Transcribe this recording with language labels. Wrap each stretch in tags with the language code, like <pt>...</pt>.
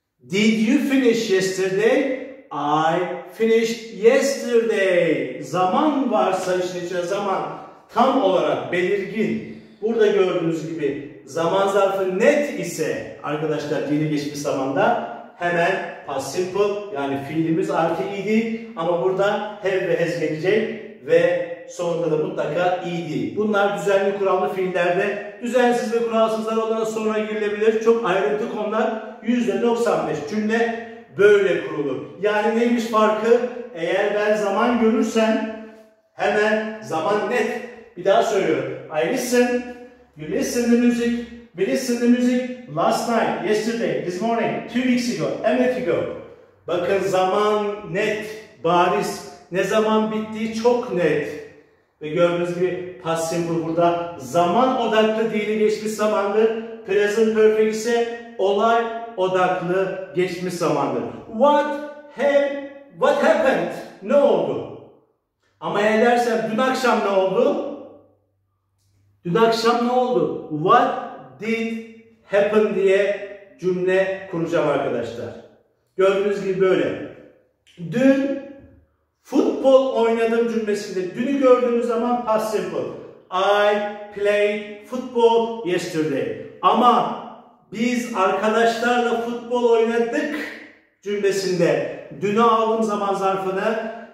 <en>Did you finish yesterday? I finished yesterday.</en> <tr>Zaman varsa işte zaman tam olarak belirgin. Burada gördüğünüz gibi zaman zarfı net ise arkadaşlar dili geçmiş zamanda hemen past simple yani fiilimiz artı ed ama burada have ve has gelecek ve sonunda da mutlaka ed. Bunlar düzenli kurallı fiillerde. Düzensiz ve kuralsızlar olarak sonra girilebilir. Çok ayrıntı konular %95 cümle böyle kurulur. Yani neymiş farkı? Eğer ben zaman görürsem hemen zaman net. Bir daha söylüyorum.</tr> <en>I listen, you listen the music, we listen the music last night, yesterday, this morning, 2 weeks ago, a minute ago.</en> <tr>Bakın zaman net, bariz. Ne zaman bittiği çok net. Ve gördüğünüz gibi past simple burada zaman odaklı değil, geçmiş zamanlı. Present perfect ise olay odaklı geçmiş zamanlı.</tr> <en>What happened?</en> <tr>Ne oldu? Ama eğer dersen dün akşam ne oldu? Dün akşam ne oldu?</tr> <en>What did happen</en> <tr>diye cümle kuracağım arkadaşlar. Gördüğünüz gibi böyle. Dün futbol oynadım cümlesinde. Dünü gördüğünüz zaman past simple.</tr> <en>I played football yesterday.</en> <tr>Ama biz arkadaşlarla futbol oynadık cümlesinde. Dünü aldım zaman zarfını.</tr>